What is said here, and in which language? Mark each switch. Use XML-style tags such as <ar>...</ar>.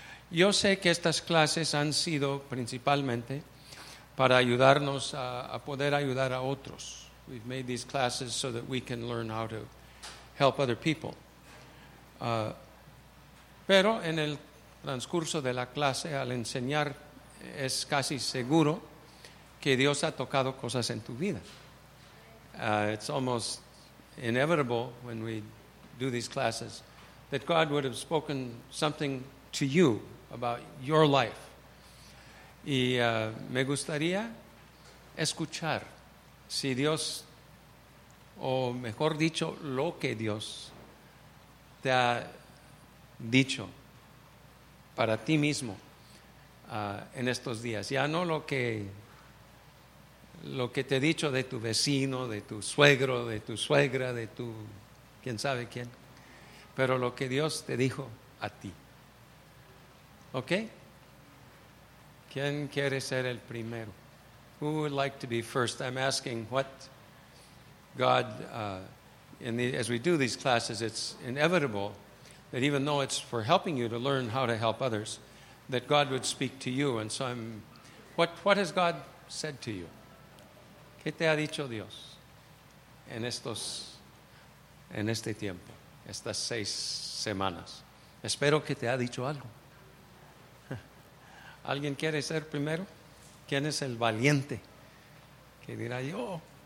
<es>Yo sé que estas clases han sido principalmente para ayudarnos a poder ayudar a otros.</es> <en>We've made these classes so that we can learn how to help other people.</en> <es>Pero en el transcurso de la clase, al enseñar, es casi seguro que Dios ha tocado cosas en tu vida.</es> <en>It's almost inevitable when we do these classes that God would have spoken something to you about your life.</en> <es>Y me gustaría escuchar si Dios, o mejor dicho, lo que Dios te ha dicho para ti mismo en estos días. Ya no lo que te he dicho de tu vecino, de tu suegro, de tu suegra, de tu quién sabe quién, pero lo que Dios te dijo a ti. ¿Ok? ¿Quién quiere ser el primero?</es> <en>Who would like to be first? I'm asking what God, as we do these classes, it's inevitable that even though it's for helping you to learn how to help others, that God would speak to you. And so what has God said to you?</en> <es>¿Qué te ha dicho Dios en este tiempo, estas seis semanas? Espero que te ha dicho algo. ¿Alguien quiere ser primero? ¿Quién es el valiente? ¿Qué dirá yo?</es>